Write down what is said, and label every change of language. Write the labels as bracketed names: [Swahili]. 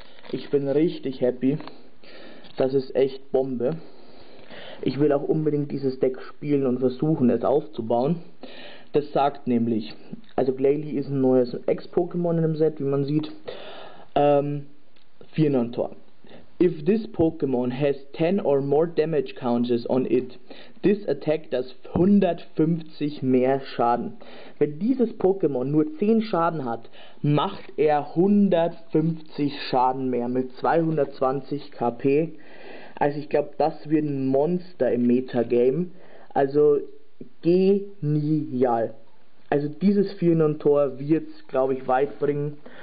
[German] Ich bin richtig happy. Das ist echt Bombe. Ich will auch unbedingt dieses Deck spielen und versuchen, es aufzubauen. Das sagt nämlich, also Glalie ist ein neues Ex-Pokémon in dem Set, wie man sieht. Firnantor. [English] If this Pokémon has 10 or more damage counters on it, this attack does 150 [German] mehr Schaden. Wenn dieses Pokémon nur 10 Schaden hat, macht er 150 Schaden mehr mit 220 KP. Also ich glaube, das wird ein Monster im Metagame. Also genial. Also dieses Firnantor wird's, glaube ich, weit bringen.